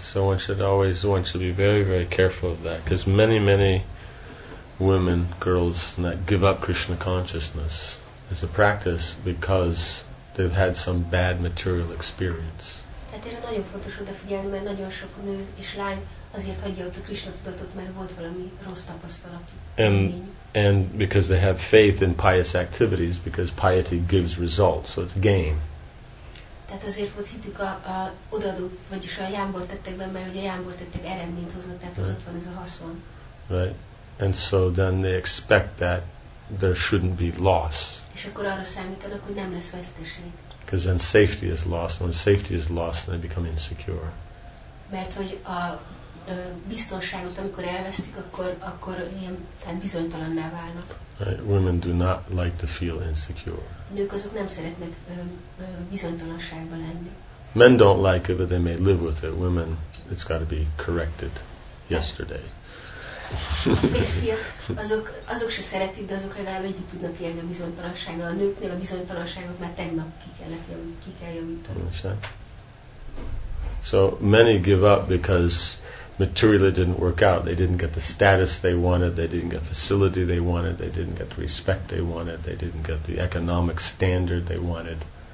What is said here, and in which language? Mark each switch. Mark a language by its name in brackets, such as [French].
[English] So one should be very, very careful of that, because many, many women, girls, that give up Krishna consciousness as a practice because they've had some bad material experience. [Hungarian] Tehát erre nagyon fontos odafigyelni, mert nagyon sok nő és lány azért hagyja ott a Krishna tudatot, mert volt valami rossz tapasztalat. [English] And because they have faith in pious activities, because piety gives results, so it's gain. [Hungarian] Tehát azért volt hittük a odaadó, vagyis a jámbor tettekben, mert ugye a jámbor tettek eredményt hoznak, tehát ott van ez a haszon. [English] Right. And so then they expect that there shouldn't be loss. [Hungarian] És akkor arra számítanak, hogy nem lesz veszteség. [English] Because then safety is lost. When safety is lost, then they become insecure. [Hungarian] Mert hogy a biztonságot, amikor elvesztik, akkor ilyen, tehát bizonytalanná válnak. [English] Right. Women do not like to feel insecure. [Hungarian] Nők azok nem szeretnek bizonytalanságban lenni. [English] Men don't like it, but they may live with it. Women, it's got to be corrected yesterday. [Hungarian] A férfiak azok se szeretik, de azok legalább együtt tudnak élni a bizonytalansággal. A nőknél a bizonytalanságot már tegnap ki kell javítani. [English] So many give up because materially it didn't work out. They didn't get the status they wanted. They didn't get the facility they wanted. They didn't get the respect they wanted. They didn't get the economic standard they wanted.